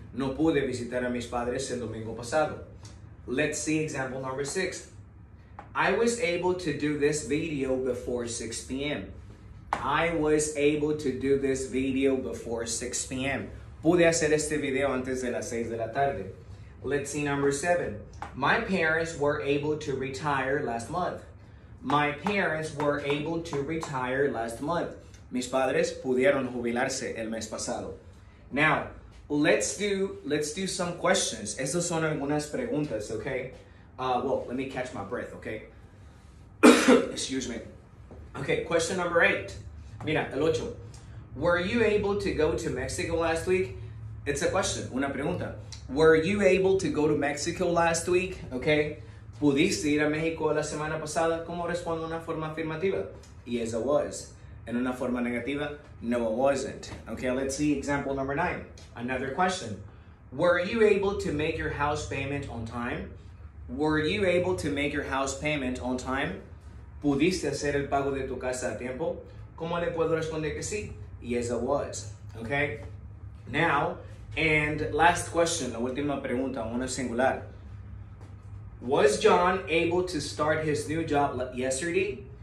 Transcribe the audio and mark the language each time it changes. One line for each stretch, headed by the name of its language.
Spanish: No pude visitar a mis padres el domingo pasado.
English: Let's see example number six. I was able to do this video before 6 p.m. I was able to do this video before 6 p.m.
Spanish: Pude hacer este video antes de las 6 de la tarde.
English: Let's see number 7. My parents were able to retire last month. My parents were able to retire last month.
Spanish: Mis padres pudieron jubilarse el mes pasado.
English: Now, let's do some questions.
Spanish: Estas son algunas preguntas,
English: okay? Well, let me catch my breath, okay? Excuse me. Okay, question number 8.
Spanish: Mira, el 8.
English: Were you able to go to Mexico last week? It's a question,
Spanish: una pregunta.
English: Were you able to go to Mexico last week?
Spanish: Okay. ¿Pudiste ir a México la semana pasada? ¿Cómo respondo en una forma afirmativa?
English: Yes, I was.
Spanish: En una forma negativa,
English: no, I wasn't. Okay, let's see example number 9. Another question. Were you able to make your house payment on time? Were you able to make your house payment on time?
Spanish: ¿Pudiste hacer el pago de tu casa a tiempo? ¿Cómo le puedo responder que sí?
English: Yes, I was. Okay? Now, and last question,
Spanish: la última pregunta, una singular.
English: Was John able to start his new job yesterday?